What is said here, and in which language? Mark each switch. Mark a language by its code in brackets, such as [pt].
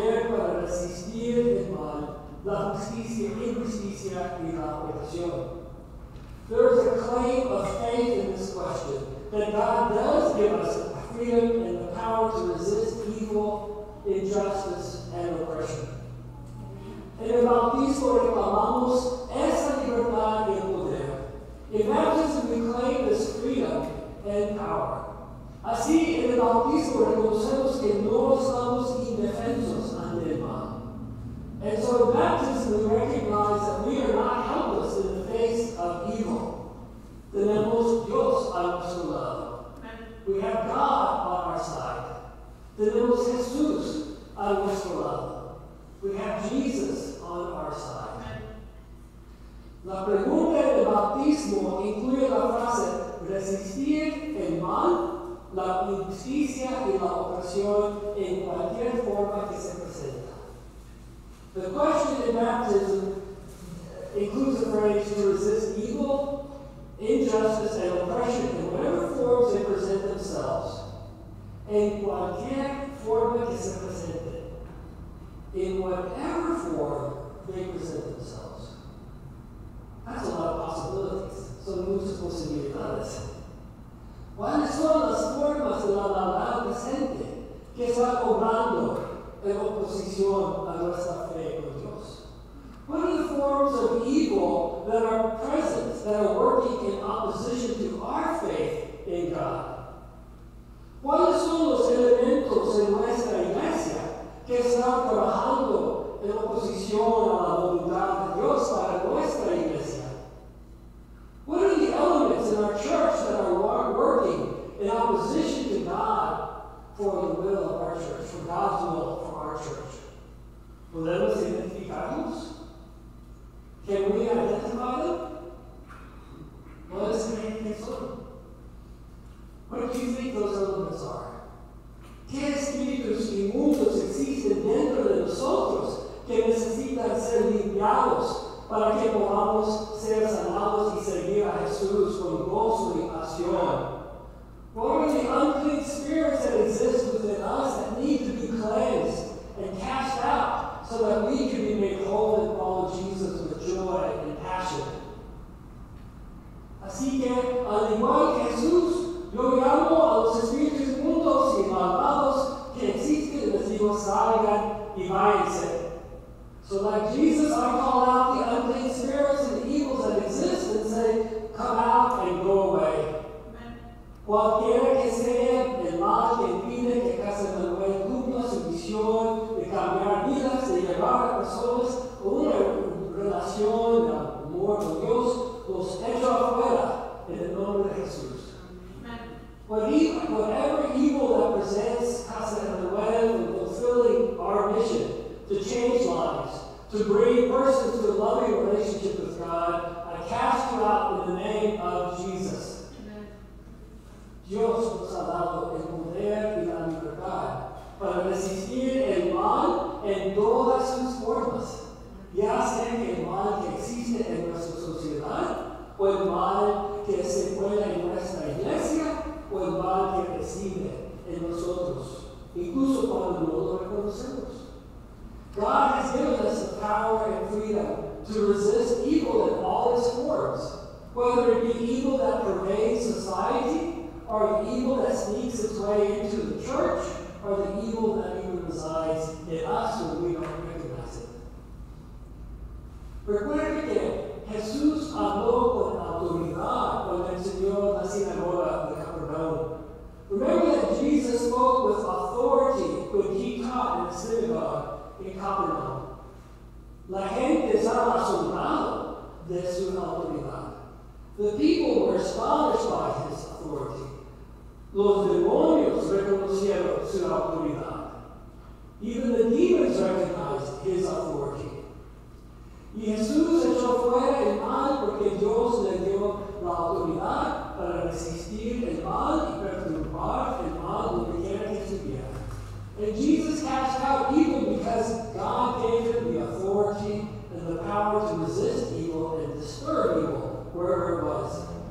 [es] para resistir el mal, la justicia, la injusticia y la opresión. [en] There is a claim of faith in this question, that God does give us a freedom and the power to resist evil, injustice, and oppression. [es] En el bautismo reclamamos esa libertad y poder. [en] In baptism, we claim this freedom and power. [es] Así, en el bautismo reconocemos que no estamos indefensos ante el mal. [en] And so in baptism, we recognize that we are not helpless in the face of evil. [es] Tenemos Dios a nuestro lado. [en] We have God on our side. [es] Tenemos Jesús a nuestro lado. [en] We have Jesus on our side. [es] La pregunta del bautismo incluye la frase resistir el mal, la injusticia y la opresión en cualquier forma que se presenta. [en] The question in baptism includes the phrase to resist evil, injustice, and oppression in whatever forms they present themselves. [es] En cualquier forma que se presente. [en] In whatever form they present themselves. That's a lot of possibilities. [es] Son muchas posibilidades. ¿Cuáles son las formas de la maldad presente que está obrando en oposición a nuestra fe con Dios? [en] What are the forms of evil that are present, that are working in opposition to our faith in God? [es] ¿Cuáles son los elementos en nuestra iglesia que están trabajando en oposición a la voluntad de Dios para nuestra iglesia? [en] What are the elements in our church that are working in opposition to God for the will of our church, for God's will for our church? [es] ¿Podemos identificarlos? [en] Can we identify them? What is the main concern? What do you think those elements are? [es] ¿Qué espíritus y mundos existen dentro de nosotros que necesitan ser limpiados para que podamos ser sanados y servir a Jesús con gozo y pasión? [en] What are the unclean spirits that exist within us that need to be cleansed and cast out so that we can be made whole and follow Jesus with joy and passion? [es] Así que, al igual que Jesús, yo llamo a los espíritus mundos y malvados que existen, les digo, salgan y váyanse. [en] So like Jesus, I call out the unclean spirits and the evils that exist and say, come out and go away. Amen. [es] Cualquiera que sea el mal que impide que Casa de Manuel cumpla su misión de cambiar vidas, de llevar a personas a una relación de amor con Dios, los echo afuera en el nombre de Jesús. [en] Whatever evil that presents Casa de Manuel in fulfilling our mission to change lives, to bring persons to a loving relationship with God, I cast you out in the name of Jesus. Amen. [es] Dios nos ha dado el poder y la libertad para resistir el mal en todas sus formas, ya sea el mal que existe en nuestra sociedad o el mal que se encuentra en nuestra iglesia, o el mal que reside en nosotros, incluso cuando no lo reconocemos. [en] God has given us the power and freedom to resist evil in all its forms, whether it be evil that pervades society, or the evil that sneaks its way into the church, or the evil that even resides in us when we don't recognize it. [es] Recuerde que Jesús habló con autoridad cuando enseñó la sinagoga. [en] Remember that Jesus spoke with authority when he taught in the synagogue in Capernaum. [es] La gente estaba asombrado de su autoridad. [en] The people were astonished by his authority. [es] Los demonios reconocieron su autoridad. [en] Even the demons recognized his authority. [es] Y Jesús echó fuera el mal porque Dios le dio la autoridad para resistir el mal y perturbar el mal donde quiera que estuviera. [en] And Jesus cast out evil because God gave him the authority and the power to resist evil and disturb evil wherever it was.